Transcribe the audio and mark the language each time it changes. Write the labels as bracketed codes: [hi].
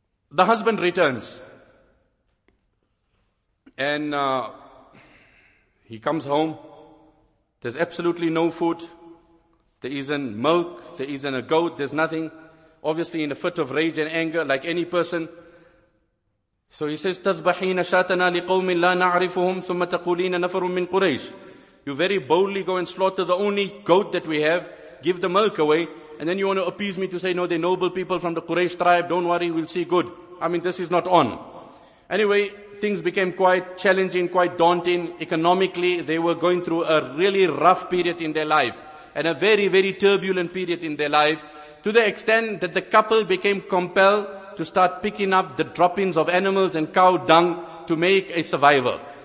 [en] The husband returns. And he comes home. There's absolutely no food. There isn't milk. There isn't a goat. There's nothing. Obviously in a fit of rage and anger, like any person. So he says, [ar] تَذْبَحِينَ شَاتَنَا لِقَوْمٍ لَا نَعْرِفُهُمْ ثُمَّ تَقُولِينَ نَفَرٌ مِّن قُرَيْشِ. [en] You very boldly go and slaughter the only goat that we have, give the milk away, and then you want to appease me to say, no, they're noble people from the Quraysh tribe, don't worry, we'll see good. I mean, this is not on. Anyway, things became quite challenging, quite daunting. Economically, they were going through a really rough period in their life, and a very, very turbulent period in their life, to the extent that the couple became compelled to start picking up the droppings of animals and cow dung to make a survivor.